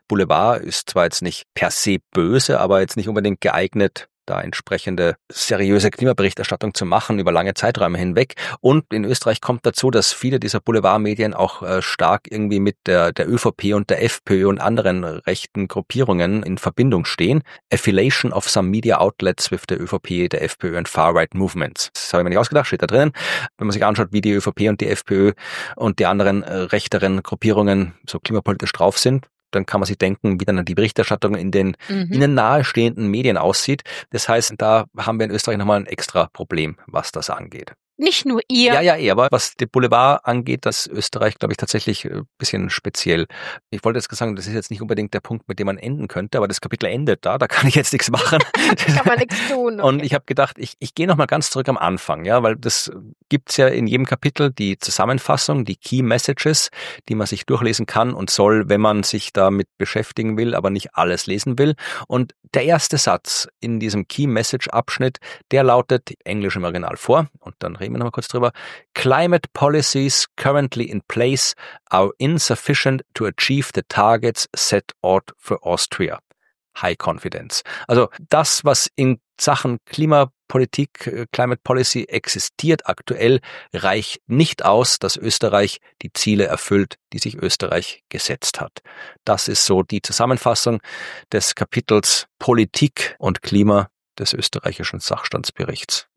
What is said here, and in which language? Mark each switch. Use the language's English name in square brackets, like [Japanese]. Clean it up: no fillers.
[German] Boulevard ist zwar jetzt nicht per se böse, aber jetzt nicht unbedingt geeignet, da entsprechende seriöse Klimaberichterstattung zu machen über lange Zeiträume hinweg. Und in Österreich kommt dazu, dass viele dieser Boulevardmedien auch stark irgendwie mit der ÖVP und der FPÖ und anderen rechten Gruppierungen in Verbindung stehen. [English] Affiliation of some media outlets with the ÖVP, the FPÖ and far-right movements. [German] Das habe ich mir nicht ausgedacht, steht da drinnen. Wenn man sich anschaut, wie die ÖVP und die FPÖ und die anderen rechteren Gruppierungen so klimapolitisch drauf sind, dann kann man sich denken, wie dann die Berichterstattung in den ihnen nahestehenden Medien aussieht. Das heißt, da haben wir in Österreich nochmal ein extra Problem, was das angeht. Nicht nur ihr. Ja, aber was den Boulevard angeht, das Österreich, glaube ich, tatsächlich ein bisschen speziell. Ich wollte jetzt sagen, das ist jetzt nicht unbedingt der Punkt, mit dem man enden könnte, aber das Kapitel endet da kann ich jetzt nichts machen. Da kann man nichts tun. Okay. Und ich habe gedacht, ich gehe nochmal ganz zurück am Anfang, ja, weil das gibt's ja in jedem Kapitel, die Zusammenfassung, die Key Messages, die man sich durchlesen kann und soll, wenn man sich damit beschäftigen will, aber nicht alles lesen will. Und der erste Satz in diesem Key Message Abschnitt, der lautet, Englisch im Original vor und dann reden wir nochmal kurz drüber. [English] Climate policies currently in place are insufficient to achieve the targets set out for Austria. High confidence. [German] Also das, was in Sachen Klimapolitik, Climate Policy existiert aktuell, reicht nicht aus, dass Österreich die Ziele erfüllt, die sich Österreich gesetzt hat. Das ist so die Zusammenfassung des Kapitels Politik und Klima des österreichischen Sachstandsberichts.